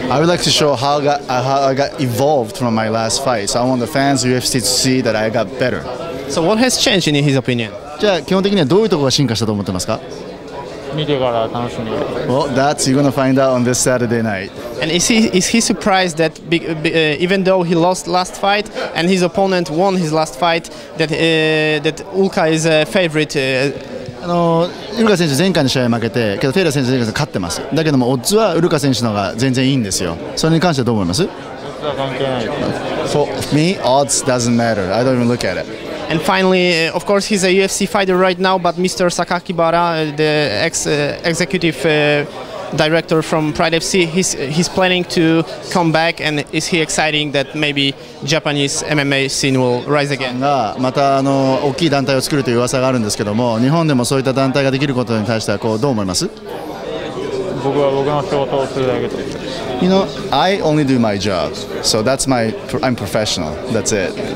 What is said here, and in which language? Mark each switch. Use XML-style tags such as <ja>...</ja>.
<en>I would like to show how I got evolved from my last fight. So I want the fans of UFC to see that I got better. So what has changed in his opinion?</en> <ja>じゃあ基本的にはどういうところが進化したと思ってますか？見てから楽しみで。</ja> <en>Well, that's you're gonna find out on this Saturday night. And is he surprised that even though he lost last fight and his opponent won his last fight that Ulka is a favorite?</en> <ja>あのウルカ選手前回の試合負けてけどテイラー選手前回勝ってます。だけどもオッズはウルカ選手の方が全然いいんですよ。それに関してどう思います？オッズは関係ない。</ja> <en>For me, odds doesn't matter. I don't even look at it. And finally, of course, he's a UFC fighter right now, but Mr. Sakakibara, the ex-executive director from Pride FC, he's planning to come back, and is he exciting that maybe Japanese MMA scene will rise again?</en> <ja>がまたあの大きい団体を作るという噂があるんですけども、日本でもそういった団体ができることに対してはこうどう思います？僕は僕の仕事をするだけです。</ja> <en>You know, I only do my job, so that's my, I'm professional, that's it.</en>